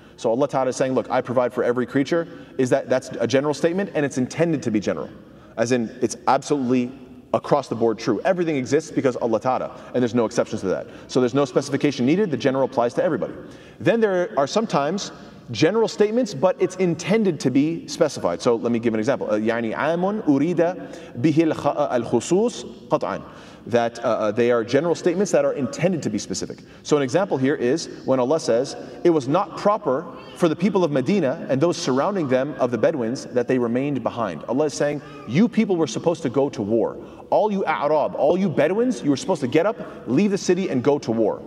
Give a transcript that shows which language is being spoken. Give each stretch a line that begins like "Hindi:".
English: So Allah Ta'ala is saying, look, I provide for every creature. Is that's a general statement, and it's intended to be general. As in, it's absolutely across the board true. Everything exists because Allah Ta'ala, and there's no exceptions to that. So there's no specification needed. The general applies to everybody. Then there are sometimes general statements, but it's intended to be specified. So let me give an example.
Arabic: يعني عامٌ أريد به الخصوص قطعًا.
English: That they are general statements that are intended to be specific. So an example here is when Allah says, it was not proper for the people of Medina and those surrounding them of the Bedouins that they remained behind. Allah is saying, you people were supposed to go to war. All you A'rab, all you Bedouins, you were supposed to get up, leave the city and go to war.